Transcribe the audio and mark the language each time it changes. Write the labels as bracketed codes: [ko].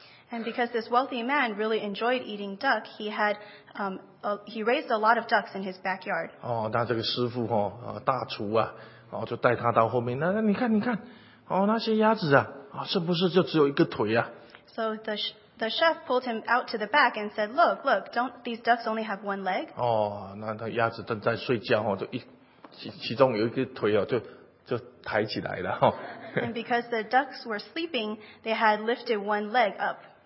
[en] And because this wealthy man really enjoyed eating duck, he had he raised a lot of ducks in his backyard. [zh] 那这个师傅大厨就带他到后面。那你看，那些鸭子是不是就只有一个腿 [en] So the chef pulled him out to the back and said, "Look, don't these ducks only have one leg?" [zh] 那他鸭子正在睡觉就其中有一个腿就抬起来了 [en] And because the ducks were sleeping, they had lifted one leg up.